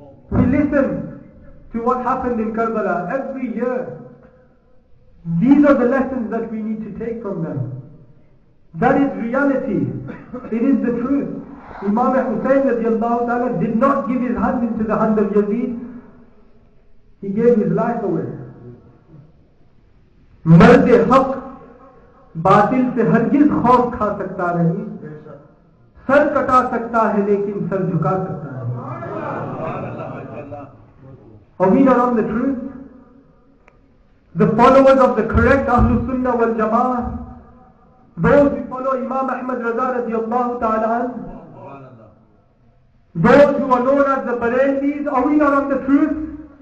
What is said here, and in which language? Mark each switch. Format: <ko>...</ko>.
<en>We listen to what happened in Karbala every year. These are the lessons that we need to take from them. That is reality. It is the truth. Imam Hussein radiallahu ta'ala did not give his hand into the hand of Yazid. He gave his life away.</en> <ur>Mard-e haq باطل سے ہرگز خوف کھا سکتا نہیں, سر کٹا سکتا ہے لیکن سر جھکا سکتا ہے.</ur> <en>Are we not on the truth? The followers of the correct Ahl Sunnah wal Jamaah, those who follow Imam Ahmad Raza</en> <ar>رضی اللہ تعالیٰ,</ar> <en>those who are known as the Bareilis, are we not on the truth?</en>